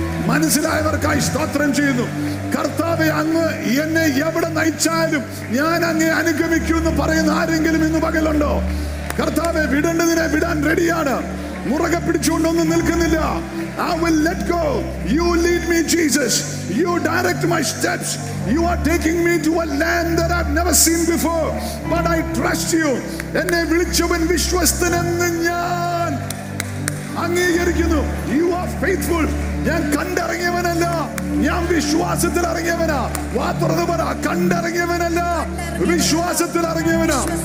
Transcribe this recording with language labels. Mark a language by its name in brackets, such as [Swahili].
[Malayalam] മനസ്സിലായവർക്കായി സ്തോത്രം ചെയ്യുന്നു. കർത്താവെ, അങ്ങ് എന്നെ എവിടെ നയിച്ചാലും ഞാൻ അങ്ങേ അനുഗമിക്കുമെന്ന് പറയുന്ന ആരെങ്കിലും ഇന്ന് പകലുണ്ടോ? കർത്താവെ, വിടേണ്ടതിനെ വിടാൻ റെഡിയാണ്, മുറുകെ പിടിച്ചുകൊണ്ടൊന്നും നിൽക്കുന്നില്ല. [English] I will let go. You lead me, Jesus. You direct my steps. You are taking me to a land that I've never seen before. But I trust you. [Malayalam] എന്നെ വിളിച്ചവൻ വിശ്വസ്തനെന്ന് ഞാൻ അംഗീകരിക്കുന്നു. [English] You are faithful. [Malayalam] ഞാൻ കണ്ടിറങ്ങിയവനല്ല, ഞാൻ വിശ്വാസത്തിൽ ഇറങ്ങിയവനാ. വാത്രത് പറ, കണ്ടിറങ്ങിയവനല്ല, വിശ്വാസത്തിൽ ഇറങ്ങിയവനാ.